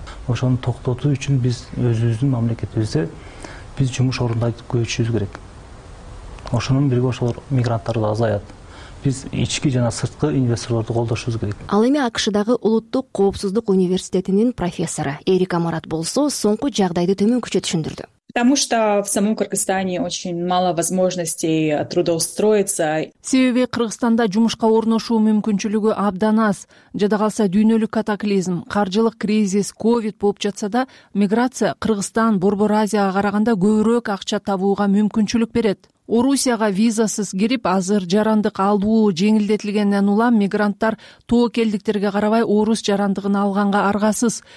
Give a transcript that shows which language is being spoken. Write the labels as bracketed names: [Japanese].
[Kyrgyz] Ошону токтотуу үчүн биз өзүбүздүн мамлекетибизде биз жумуш орундарды көбөйтүшүбүз керек. Ошонун бирге ошол мигранттарды азаят. Биз ички жана сырткы инвесторлорду колдошубуз керек. Ал эми АКШдагы Улуттук коопсуздук университетинин профессору Эрика Марат болсо, соңку жагдайды төмөнкүчө түшүндүрдү. [Russian] Потому что в самом Кыргызстане очень мало возможностей трудоустроиться. [Kyrgyz] Себеби Кыргызстанда жумушка орношуу мүмкүнчүлүгү абдан аз. Жада калса дүйнөлүк катаклизм, каржылык кризис, ковид болуп жатса да, миграция Кыргызстан, Борбор Азияга караганда көбүрөөк акча табууга мүмкүнчүлүк берет. Орусияга визасыз кирип, азыр жарандык алуу жеңилдетилгенден улам мигранттар тоокелдиктерге карабай орус жарандыгын алганга аргасыз.